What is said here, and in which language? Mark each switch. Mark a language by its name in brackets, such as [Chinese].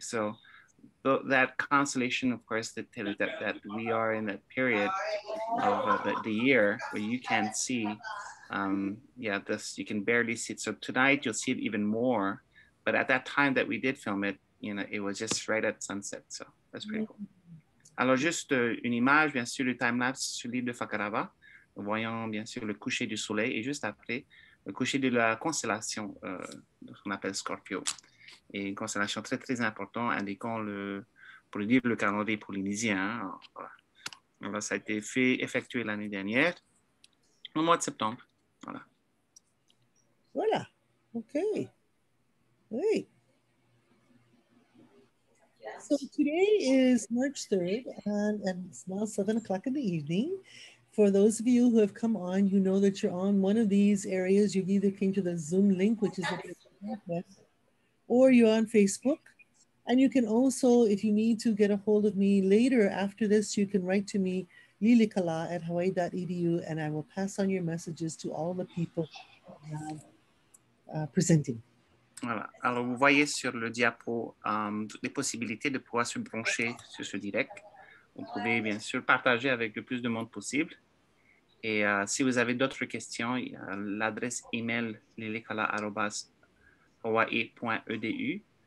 [English] So that constellation, of course, that tells that we are in that period of the year where you can see, you can barely see it. So tonight you'll see it even more, but at that time that we did film it, you know, it was just right at sunset. So that's pretty cool. [French] Alors, juste une image, bien sûr, du time-lapse sur l'île de Fakarava, voyant, bien sûr, le coucher du soleil et juste après, le coucher de la constellation, qu'on appelle Scorpio. Et une constellation très, très importante, indiquant le, pour dire, le calendrier polynésien. Voilà. Alors, ça a été fait, effectué l'année dernière, au mois de septembre. Voilà. Voilà. OK. Oui. [English] So today is March 3rd, and it's now 7 o'clock in the evening. For those of you who have come on, you know that you're on one of these areas. You've either came to the Zoom link, which is at the Internet, or you're on Facebook. And you can also, if you need to get a hold of me later after this, you can write to me, Lilikalā at hawaii.edu, and I will pass on your messages to all the people presenting. [French] Voilà. Alors, vous voyez sur le diapo toutes les possibilités de pouvoir se brancher sur ce direct. Vous pouvez, bien sûr, partager avec le plus de monde possible. Et si vous avez d'autres questions, il y a l'adresse email lilikalā@hawaii.edu.